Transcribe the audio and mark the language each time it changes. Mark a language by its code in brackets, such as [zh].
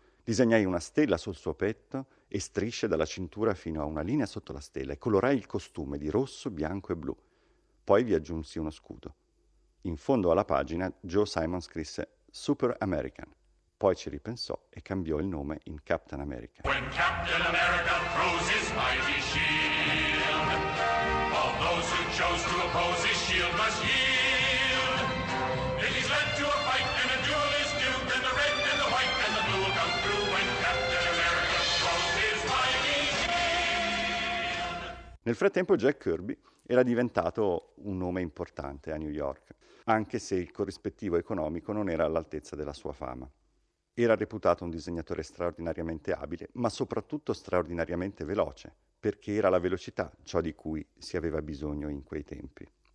[it] Disegnai una stella sul suo petto e strisce dalla cintura fino a una linea sotto la stella e colorai il costume di rosso, bianco e blu. Poi vi aggiunsi uno scudo. In fondo alla pagina Joe Simon scrisse Super American. Poi ci ripensò e cambiò il nome in Captain America. [en] When Captain America throws his mighty shield, all those who chose to oppose his shield must yield. If he's led to a fight and a duel is due, then the red and the white and the blue will come through when Captain America throws his mighty shield. [it] Nel frattempo Jack Kirby era diventato un nome importante a New York, anche se il corrispettivo economico non era all'altezza della sua fama. Era reputato un disegnatore straordinariamente abile, ma soprattutto straordinariamente veloce, perché era la velocità ciò di cui si aveva bisogno in quei tempi.